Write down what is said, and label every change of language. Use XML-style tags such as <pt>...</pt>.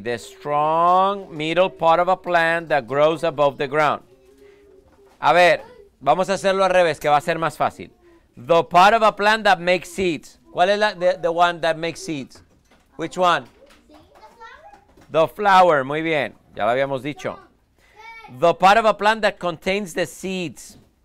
<en>The strong middle part of a plant that grows above the ground.</en> <es>A ver, vamos a hacerlo al revés, que va a ser más fácil.</es> <en>The part of a plant that makes seeds.</en> <es>¿Cuál es</es> <en>the one that makes seeds? Which one? The flower,</en> <es>muy bien. Ya lo habíamos dicho.</es> <en>The part of a plant that contains the seeds.</en>